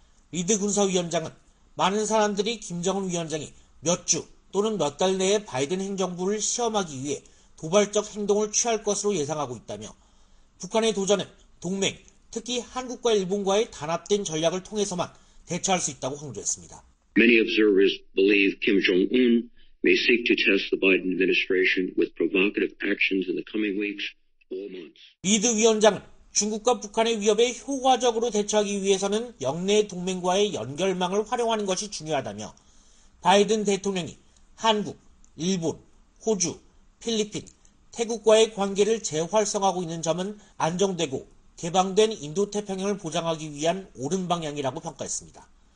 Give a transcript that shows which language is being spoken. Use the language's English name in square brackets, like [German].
[Korean] 리드 군사위원장은 많은 사람들이 김정은 위원장이 몇 주 또는 몇 달 내에 바이든 행정부를 시험하기 위해 도발적 행동을 취할 것으로 예상하고 있다며 북한의 도전은 동맹, 특히 한국과 일본과의 단합된 전략을 통해서만 대처할 수 있다고 강조했습니다. [English] Many observers believe Kim Jong-un may seek to test the Biden administration with provocative actions in the coming weeks or months. [Korean] 리드 위원장은 중국과 북한의 위협에 효과적으로 대처하기 위해서는 역내 동맹과의 연결망을 활용하는 것이 중요하다며 바이든 대통령이 한국, 일본, 호주, 필리핀, 태국과의 관계를 재활성하고 있는 점은 안정되고 개방된 인도태평양을 보장하기 위한 옳은 방향이라고 평가했습니다.